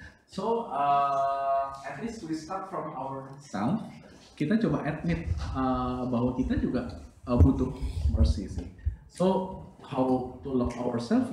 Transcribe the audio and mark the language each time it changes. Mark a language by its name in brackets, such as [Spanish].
[English] So, at least we start from ourselves. [Indonesian] Kita coba admit bahwa kita juga butuh mercy sih. [English] So, how to love ourselves?